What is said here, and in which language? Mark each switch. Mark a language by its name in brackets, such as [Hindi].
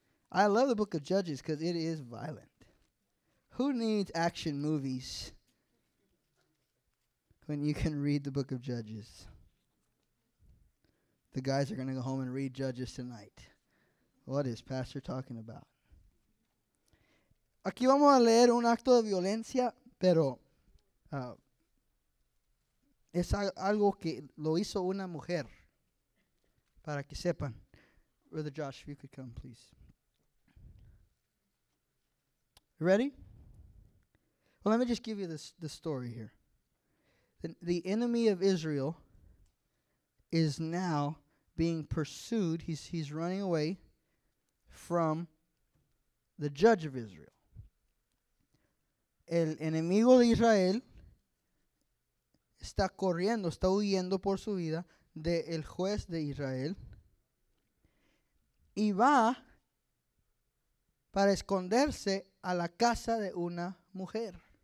[English] I love the book of Judges because it is violent. Who needs action movies when you can read the book of Judges? The guys are going to go home and read Judges tonight. What is Pastor talking about? [Spanish] Aquí vamos a leer un acto de violencia, pero es algo que lo hizo una mujer. Para que sepan. [English] Brother Josh, if you could come, please. Ready? Well, let me just give you this story here. The enemy of Israel is now being pursued. He's running away from the judge of Israel. [Spanish] El enemigo de Israel está corriendo, está huyendo por su vida del juez de Israel. Y va para esconderse a la casa de una mujer.